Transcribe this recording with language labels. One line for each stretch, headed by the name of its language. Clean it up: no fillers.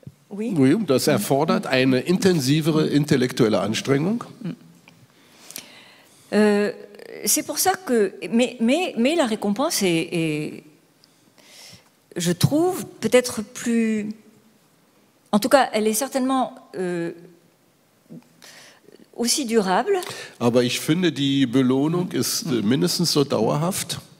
German: Oui, das erfordert eine intensivere intellektuelle Anstrengung.
French: C'est pour ça que mais la récompense est je trouve peut-être plus en tout cas elle est certainement aussi durable.
German: Aber ich finde, die Belohnung ist mindestens so dauerhaft.